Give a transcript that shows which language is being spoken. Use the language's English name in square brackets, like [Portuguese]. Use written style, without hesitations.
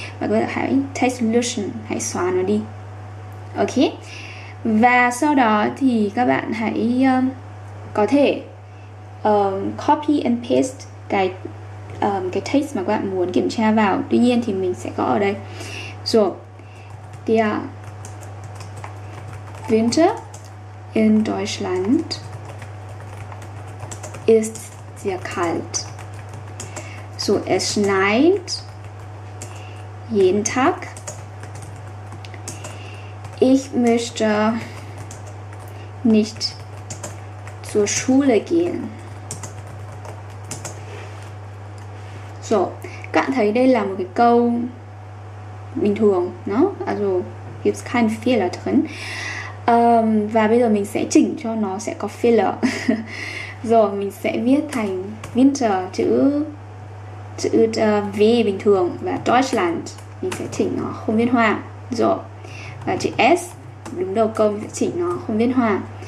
[Vietnamese] Và các bạn hãy [English] text solution, [Vietnamese] hãy xóa nó đi. Ok. Và sau đó thì các bạn hãy có thể copy and paste cái text mà các bạn muốn kiểm tra vào. Tuy nhiên thì mình sẽ có ở đây. Rồi. [German] Der Winter in Deutschland ist sehr kalt. So, es schneit jeden Tag. Ich möchte nicht zur Schule gehen. [Vietnamese] So, các bạn thấy đây là một cái câu bình thường, no? [German] Also, gibt es keinen Fehler drin. [Vietnamese] Và bây giờ mình sẽ chỉnh cho nó sẽ có filler. Rồi, mình sẽ viết thành Winter, chữ V bình thường, và Deutschland, mình sẽ chỉnh nó không viết hoa. Rồi, và chữ S, đúng đầu câu, mình sẽ chỉnh nó không viết hoa.